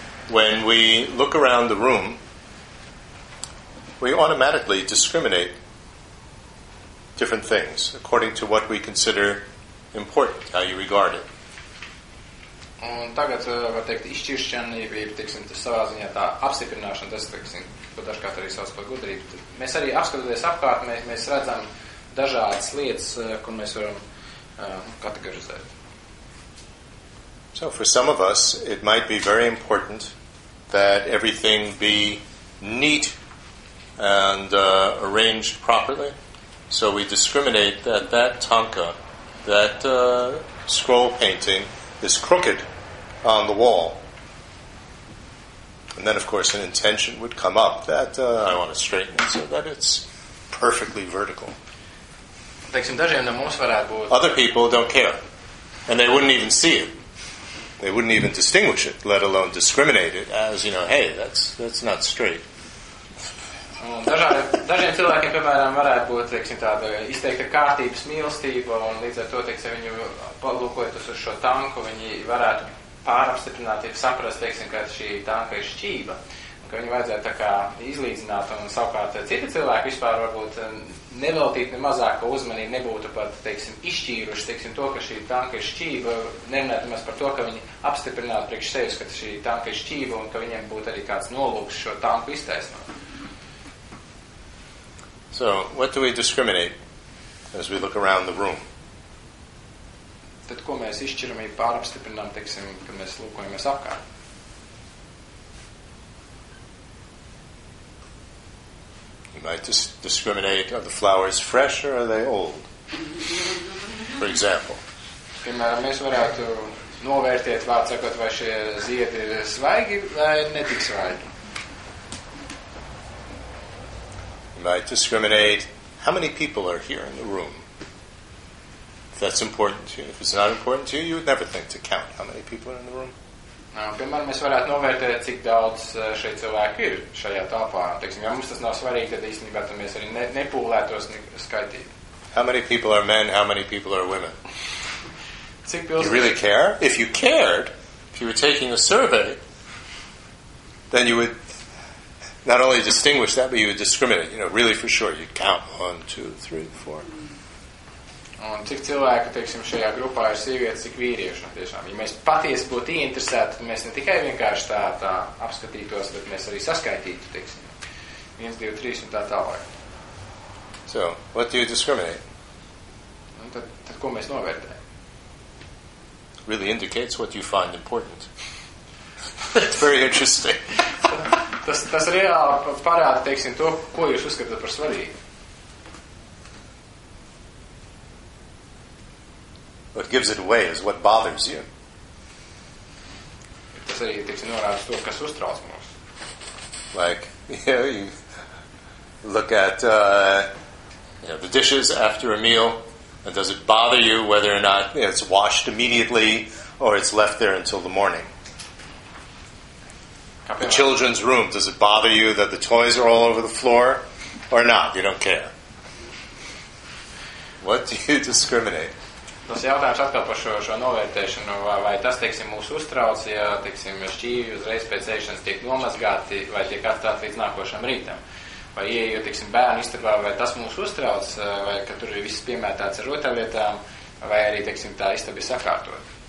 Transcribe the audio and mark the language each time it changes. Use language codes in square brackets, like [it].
[en] When we look around the room, we automatically discriminate different things according to what we consider important, how you regard it. [lv] Un tagad var teikt izšķiršanība ir, teiksim, tas savā ziņā tā apstiprināšana, tas, teiksim, ko dažkārt arī sauc par gudrību. Mēs arī apskatoties apkārt, mēs redzam dažādas lietas, kur mēs varam kategorizēt. [en] So for some of us, it might be very important that everything be neat and arranged properly. So we discriminate that tanka, that scroll painting, is crooked on the wall. And then, of course, an intention would come up that I want to straighten it so that it's perfectly vertical. [lv] Teiksim, dažiem no mums varētu būt. [en] Other people don't care. And they wouldn't even see it. they wouldn't even distinguish it, let alone discriminate it as, you know, hey, that's not straight. [lv] Dažiem cilvēkiem, piemēram, varētu būt, teiksim, tāda izteikta kārtības mīlestība, un līdz ar to, teiksim, viņu palūkojot uz šo tanku, viņi varētu pārapstiprināt, ja saprast, teiksim, ka šī tanka ir šķība, un ka viņu vajadzētu tā kā izlīdzināt, un savukārt citi cilvēki vispār varbūt neveltīt ne mazāko uzmanību, nebūtu pat, teiksim, izšķīruši, teiksim, to, ka šī tanka ir šķība, nemanāt nemaz par to, ka viņi apstiprinātu priekš sevis, ka šī tanka ir šķība, un ka viņiem būtu arī kāds nolūks šo tanku iztaisnot. [en] So, what do we discriminate as we look around the room? [lv] Tad, ko mēs izšķiram, ja pārapstiprinām, teiksim, kad mēs lūkojamies apkārt? [en] You might discriminate, are the flowers fresh or are they old? For example. [lv] Piemēram, mēs varētu novērtēt vārdsakot, vai šie ziedi ir svaigi vai netik svaigi. [en] Might discriminate how many people are here in the room. If that's important to you, if it's not important to you, you would never think to count how many people are in the room. [lv] Piemēram, mēs varētu novērtēt, cik daudz šeit cilvēku ir šajā telpā. Teiksim, ja mums tas nav svarīgi, tad īstenībā tad mēs arī nepūlētos skaitīt. [en] How many people are men, how many people are women? [lv] Cik pilsēt? [en] You really care? If you cared, if you were taking a survey, then you would not only distinguish that, but you would discriminate. You know, really for sure, you'd count 1, 2, 3, 4. [lv] Un cik cilvēku, teiksim, šajā grupā ir sievietes, cik vīrieši, no tiešām. Ja mēs patiesi būtu interesēti, mēs ne tikai vienkārši tā apskatītos, bet mēs arī saskaitītu, teiksim, 1, 2, 3 un tā tālāk. [en] So, what do you discriminate? [lv] Un tad ko mēs novērtējam? [en] Really indicates what you find important. That's very interesting. [lv] Tas reāli parāda, teiksim, to, ko jūs uzskatāt par svarīgu. [en] What gives it away is what bothers you. [lv] Tas arī, teiksim, norāda to, kas uztrauc mums. [en] Like, you know, you look at the dishes after a meal, and does it bother you whether or not it's washed immediately or it's left there until the morning? The children's room, does it bother you that the toys are all over the floor or not? You don't care. What do you discriminate? [lv] Tas jautājums atkal par šo novērtēšanu, vai tas, teiksim, mūs uztrauc, ja, teiksim, šķīvi uzreiz pēc ēšanas tiek nomazgāti vai tiek atstāti līdz nākošam rītam? Vai ieejot, teiksim, bērnu istabā, vai tas mūs uztrauc, vai ka tur ir viss piemētāts ar rotaļlietām, vai arī, teiksim, tā istaba ir sakārtota?